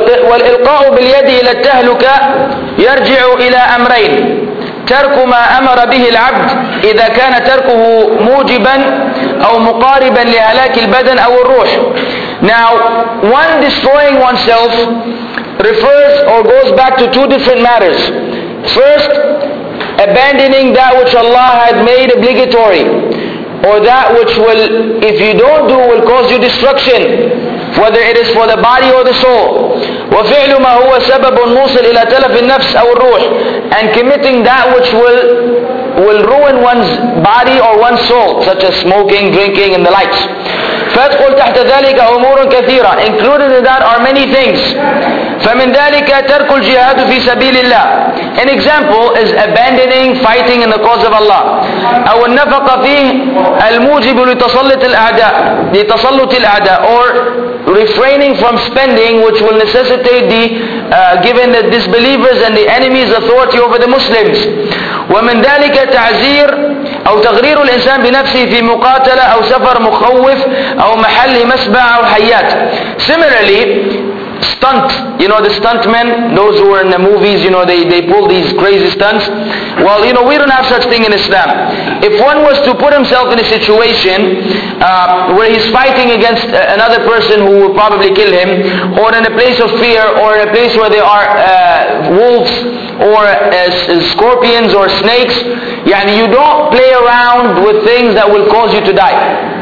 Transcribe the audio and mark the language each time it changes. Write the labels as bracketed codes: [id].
[ar] والإلقاء باليد إلى التهلكة يرجع إلى أمرين, ترك ما أمر به العبد إذا كان تركه موجبا أو مقاربا لهلاك البدن أو الروح. [en] Now one destroying oneself refers or goes back to two different matters. First, abandoning that which Allah had made obligatory, or that which will, if you don't do, will cause you destruction, whether it is for the body or the soul. [ar] وفعل ما هو سبب موصل إلى تلف النفس أو الروح. [en] And committing that which will ruin one's body or one's soul, such as smoking, drinking, and the likes. [ar] فادخل تحت ذلك أمور كثيرة. [en] Included in that are many things. [ar] فمن ذلك ترك الجهاد في سبيل الله. [en] An example is abandoning fighting in the cause of Allah. [ar] أو النفق فيه الموجب لتسلط الأعداء. لتسلط الأعداء. [en] Or refraining from spending, which will necessitate the giving the disbelievers and the enemies authority over the Muslims. [ar] ومن ذلك تعزير أو تغرير الإنسان بنفسه في مقاتلة أو سفر مخوف أو محل مسبع أو حيات. [en] Similarly, stunt, you know, the stuntmen, those who are in the movies, you know, they pull these crazy stunts. Well, you know, we don't have such thing in Islam. If one was to put himself in a situation where he's fighting against another person who will probably kill him, or in a place of fear, or in a place where there are wolves, or scorpions, or snakes, يعني you don't play around with things that will cause you to die.